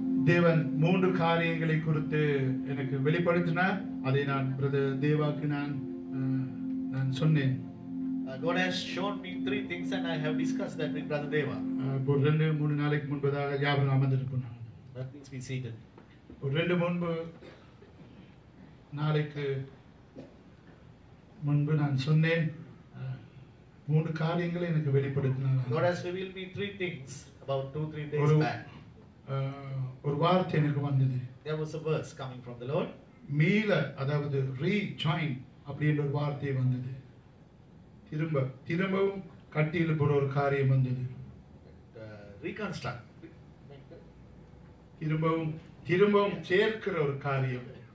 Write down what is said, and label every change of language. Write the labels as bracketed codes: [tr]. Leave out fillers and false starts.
[ta] தேவன் மூன்று காரியங்களை குறித்து எனக்கு வெளிப்படுத்தினார். அதை நான் பிரதர் தேவாக்கு நான் சொன்னேன். [en] God has shown me three things and I have discussed that with brother Deva. [ta] ஒரு ரெண்டு மூணு நாளைக்கு முன்பதாக யாவரும் அமர்ந்திருப்போம். [en] That means we seated. [ta] ஒரு ரெண்டு முன்பு நாளைக்கு முன்பு நான் சொன்னேன், மூன்று காரியங்களை எனக்கு வெளிப்படுத்தினார். [en] God has revealed me three things about 2-3 days back. [ta] ஒரு வார்த்தை எனக்கு வந்தது. [en] There was a verse coming from the Lord. [ta] மீள, அதாவது rejoin அப்படின்ற ஒரு வார்த்தை வந்தது. திரும்ப, திரும்பவும் கட்டியில் போற ஒரு காரியம் வந்தது. [en] Reconstruct. [ta] திரும்பவும், திரும்பவும் சேர்க்கிற ஒரு காரியம்.